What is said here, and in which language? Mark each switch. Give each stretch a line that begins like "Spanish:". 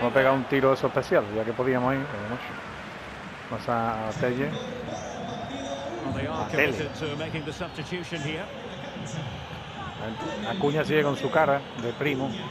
Spanish: Hemos pegado un tiro eso especial, ya que podíamos ir. Vamos a Telle.
English: Well, they are committed to making the substitution here.
Spanish: Acuña sigue con su cara de primo.